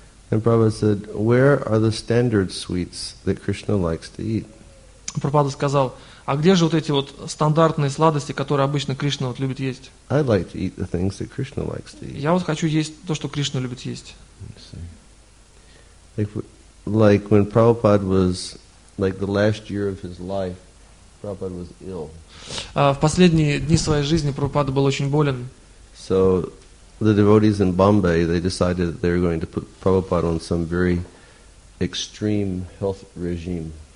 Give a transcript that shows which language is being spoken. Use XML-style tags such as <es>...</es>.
<en>And Prabhupada said, "Where are the standard sweets that Krishna likes to eat?"</en> <ru>Прабхупада сказал, а где же вот эти вот стандартные сладости, которые обычно Кришна вот любит есть?</ru> <en>I'd like to eat the things that Krishna likes to eat.</en> <ru>Я вот хочу есть то, что Кришна любит есть.</ru> <en>Let's see. Like when Prabhupada was, like the last year of his life, Prabhupada was ill.</en> <ru>В последние дни своей жизни Прабхупада был очень болен.</ru> <en>So the devotees in Bombay, they decided that they were going to put Prabhupada on some very extreme health regime.</en>